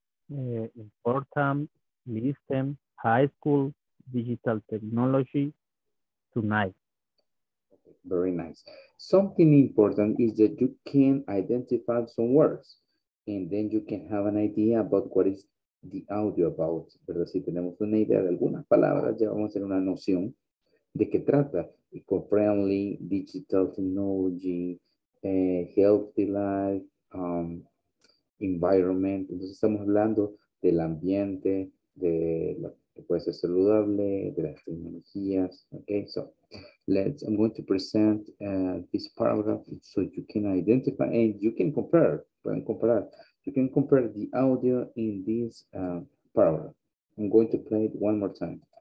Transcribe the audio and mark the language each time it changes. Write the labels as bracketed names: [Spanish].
[English] Important, listen, high school, digital technology, tonight. Very nice. Something important is that you can identify some words and then you can have an idea about what is the audio about. [Spanish] Pero si tenemos una idea de algunas palabras, ya vamos a tener una noción de qué trata. [English] Eco-friendly, digital technology, healthy life, environment. [Spanish] Entonces estamos hablando del ambiente, de lo que puede ser saludable, de las tecnologías. [English] Okay, so let's, I'm going to present this paragraph so you can identify and you can compare. [Spanish] Pueden comparar. [English] You can compare the audio in this paragraph. I'm going to play it one more time.